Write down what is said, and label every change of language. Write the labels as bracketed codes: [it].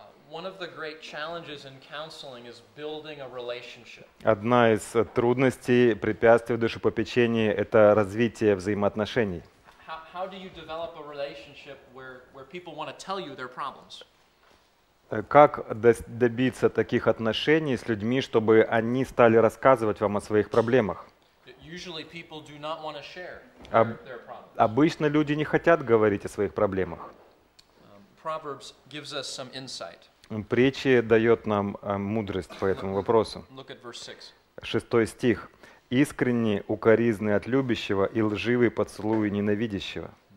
[en] One of the great challenges in counseling is building a relationship. [ru] Одна из трудностей, препятствий в душепопечении – это развитие взаимоотношений. [en] How do you develop a relationship where people want to tell you their problems? [ru] Как добиться таких отношений с людьми, чтобы они стали рассказывать вам о своих проблемах? [en] Usually people do not want to share their problems. [ru] Обычно люди не хотят говорить о своих проблемах. [en] Proverbs gives us some insight. [ru] Притчи дает нам мудрость по этому вопросу. Шестой стих. «Искренне укоризны от любящего и лживый поцелуй ненавидящего».